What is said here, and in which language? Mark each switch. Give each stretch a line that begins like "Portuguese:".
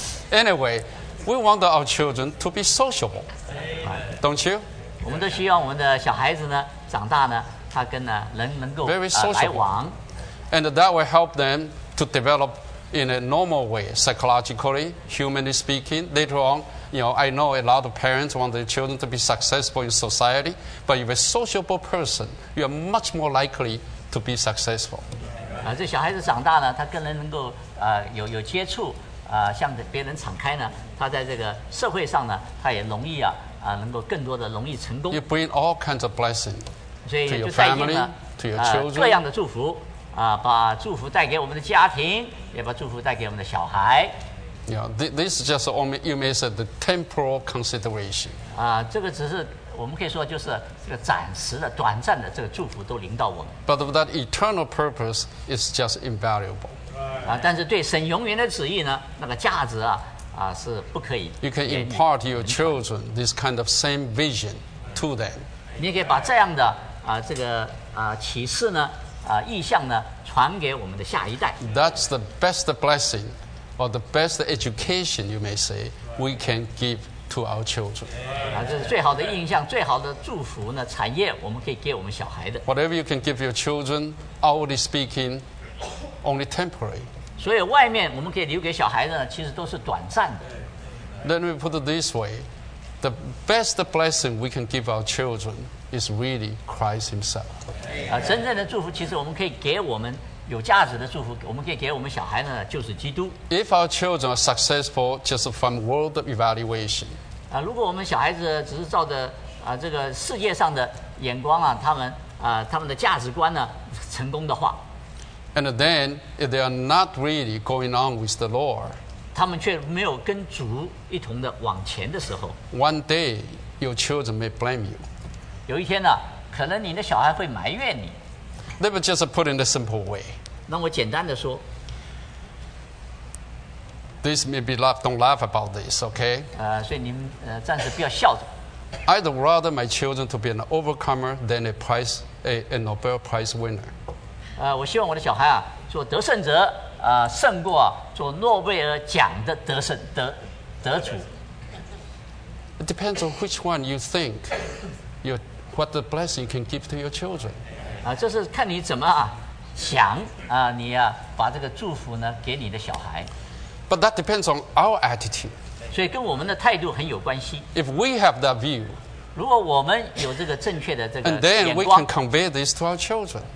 English: Anyway, we want our children to be sociable, don't you?
Chinese: 我们都希望我们的小孩子呢，长大呢，他跟呢人能够
English: very sociable.
Chinese: 来往。
English: And that will help them to develop in a normal way, psychologically, humanly speaking, later on. You know, I know a lot of parents want their children to be successful in society, but if you're a sociable person, you're much more likely to be successful.
Chinese: 啊，这小孩子长大呢，他跟人能够有接触啊，向别人敞开呢，他在这个社会上呢，他也容易啊能够更多的容易成功。
English: You bring all kinds of blessing to your family, to your children.
Chinese: 各样的祝福啊，把祝福带给我们的家庭，也把祝福带给我们的小孩。
English: Yeah, this is just only you may say the temporal consideration.
Chinese: 啊，这个只是我们可以说就是这个暂时的、短暂的这个祝福都临到我们。
English: But that eternal purpose is just invaluable.
Chinese: 啊，但是对神永远的旨意呢，那个价值啊是不可以。
English: You can impart your children this kind of same vision to them.
Chinese: 你可以把这样的啊这个啊启示呢啊意象呢传给我们的下一代。
English: That's the best blessing. Or the best education, you may say, we can give to our children.
Chinese: 啊，这是最好的印象，最好的祝福呢，产业我们可以给我们小孩的。
English: Whatever you can give your children, outwardly speaking, only temporary.
Chinese: 所以外面我们可以留给小孩的呢，其实都是短暂的。
English: Let me put it this way: the best blessing we can give our children is really Christ Himself.
Chinese: 啊，真正的祝福其实我们可以给我们。有价值的祝福，我们可以给我们小孩呢，就是基督。
English: If our children are successful just from world evaluation,
Chinese: 啊，如果我们小孩子只是照着啊这个世界上的眼光啊，他们啊他们的价值观呢成功的话
English: ，and then if they are not really going on with the Lord,
Chinese: 他们却没有跟主一同的往前的时候
English: ，one day your children may blame you.
Chinese: 有一天呢，可能你的小孩会埋怨你。
English: Let me just put it in a simple way.
Chinese: 那我简单的说
English: This may be laugh, don't laugh about this, okay?
Chinese: 所以你们暂时不要笑着。
English: I'd rather my children to be an overcomer than a Nobel Prize winner.
Chinese: 我希望我的小孩啊，做得胜者，胜过做诺贝尔奖的得主。
English: It depends on which one you think what the blessing you can give to your children.
Chinese: 这是看你怎么想啊，你啊把这个祝福呢给你的小孩。
English: But that depends on our attitude.
Chinese: 所以跟我们的态度很有关系。
English: If we have that view,
Chinese: 如果我们有这个正确的这个眼
English: 光 ，and then we can convey this to our children.